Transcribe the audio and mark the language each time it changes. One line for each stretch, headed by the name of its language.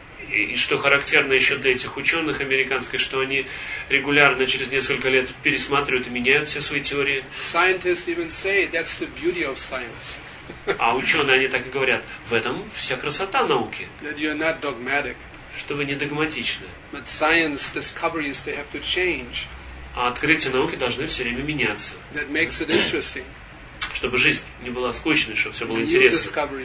Russian: И что характерно еще для этих ученых американских, что они регулярно через несколько лет пересматривают и меняют все свои теории.
English: Scientists even say that's the beauty of science.
Russian: А ученые, они так и говорят, в этом вся красота науки.
English: That you're not dogmatic.
Russian: Что вы не догматичны.
English: But science discoveries, they have to change.
Russian: А открытия науки должны все время меняться.
English: That makes it interesting.
Russian: Чтобы жизнь не была скучной, чтобы все было интересно.